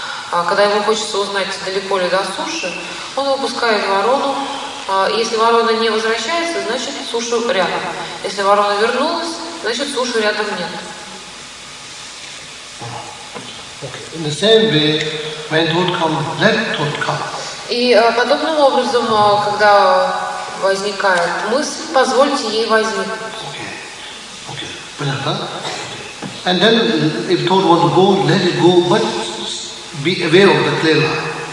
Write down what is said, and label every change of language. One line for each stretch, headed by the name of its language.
Russian: Когда ему хочется узнать, далеко ли до суши, он выпускает ворону. Если ворона не возвращается, значит суша рядом. Если ворона вернулась, значит суши рядом нет.
English: In the same way, when thought comes, let thought come.
Russian: И подобным образом, когда возникает мысль, позвольте ей возникнуть.
English: Okay. Okay.
Russian: Понятно?
English: And then, if thought wants to go, let it go, but be aware of the clear line.